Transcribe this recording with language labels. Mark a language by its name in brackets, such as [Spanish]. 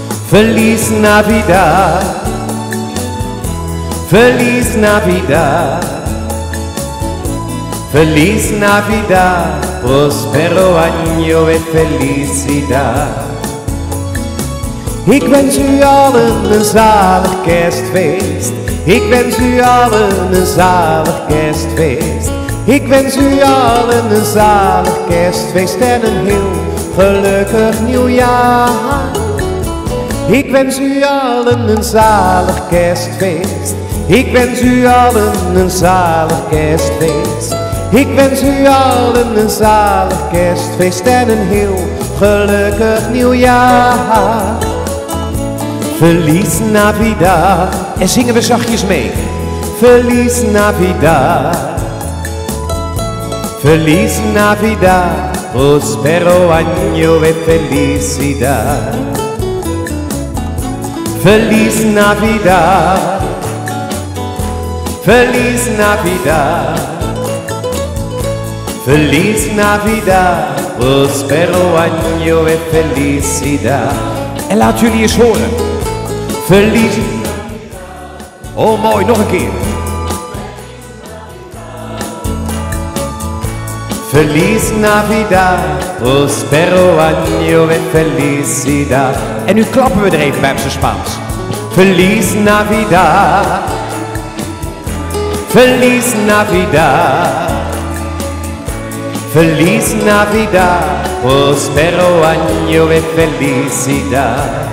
[Spanish] Feliz Navidad, Feliz Navidad, Feliz Navidad, Prospero año e felicidad. [Dutch] Ik wens u allen een zalig kerstfeest, ik wens u allen een zalig kerstfeest, ik wens u allen een zalig kerstfeest en een heel gelukkig nieuwjaar. Ik wens u allen een zalig kerstfeest, ik wens u allen een zalig kerstfeest, ik wens u allen een zalig kerstfeest en een heel gelukkig nieuwjaar. [Spanish] Feliz Navidad, [Dutch] en zingen we zachtjes mee. [Spanish] Feliz Navidad, Feliz Navidad, Prospero año e felicidad. Feliz Navidad, Feliz Navidad, Feliz Navidad, Prospero año e felicidad. [Dutch] En laat jullie eens horen. [Spanish] Feliz Navidad. [Dutch] Oh mooi, nog een keer. [Spanish] Feliz Navidad, Prospero año e felicidad. [Dutch] En nu klappen we er even bij op zijn Spaans. [Spanish] Feliz Navidad, Feliz Navidad, Feliz Navidad, Prospero año e felicidad.